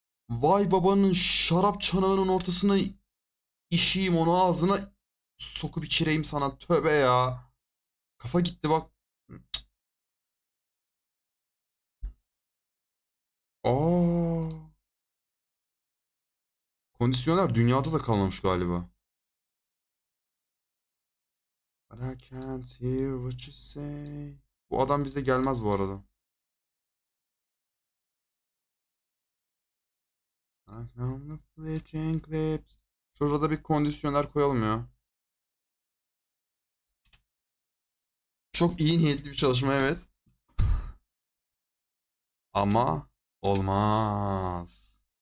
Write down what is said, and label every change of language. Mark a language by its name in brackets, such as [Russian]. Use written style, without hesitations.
[Turkish] Vay babanın şarap çanağının ortasına işeyim onu ağzına sokup içireyim sana tövbe ya. Kafa gitti bak. Aa. Kondisyoner dünyada da kalmamış galiba. [English] But I can't hear what you say. [Turkish] Bu adam bize gelmez bu arada. [English] I found the flashing clips. [Turkish] Şurada da bir kondisyoner koyalım ya. Çok iyi niyetli bir çalışma evet. Ama olmaz.